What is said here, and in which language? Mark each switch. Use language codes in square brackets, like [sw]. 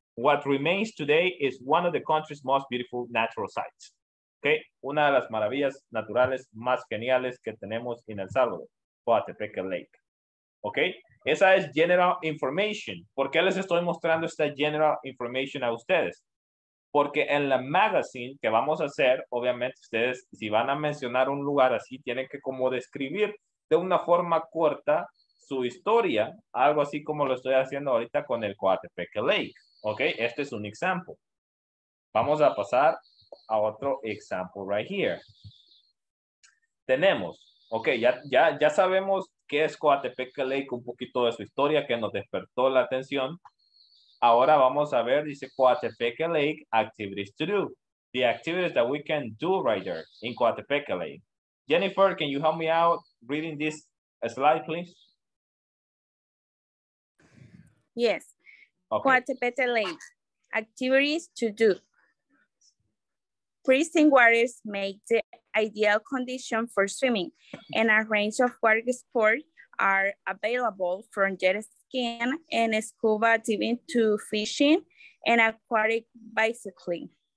[en] What remains today is one of the country's most beautiful natural sites. [es] Okay, una de las maravillas naturales más geniales que tenemos en El Salvador, Coatepeque Lake. Okay, esa es [en] general information. [es] ¿Por qué les estoy mostrando esta general information a ustedes? Porque en la magazine que vamos a hacer, obviamente ustedes, si van a mencionar un lugar así, tienen que como describir de una forma corta su historia, algo así como lo estoy haciendo ahorita con el Coatepeque Lake. Okay, este es un ejemplo. Vamos a pasar a otro [en] example right here. [es] Tenemos, okay, ya sabemos qué es Coatepeque Lake, un poquito de su historia que nos despertó la atención. Ahora vamos a ver, dice Coatepeque Lake [en] activities to do. The activities that we can do right there in Coatepeque Lake. Jennifer, can you help me out reading this slide, please? Yes. Okay. Coatepeque Lake activities to do. Pristine waters make the ideal condition for swimming, and a range of water sports are available from jet skiing and scuba diving to fishing and aquatic bicycling.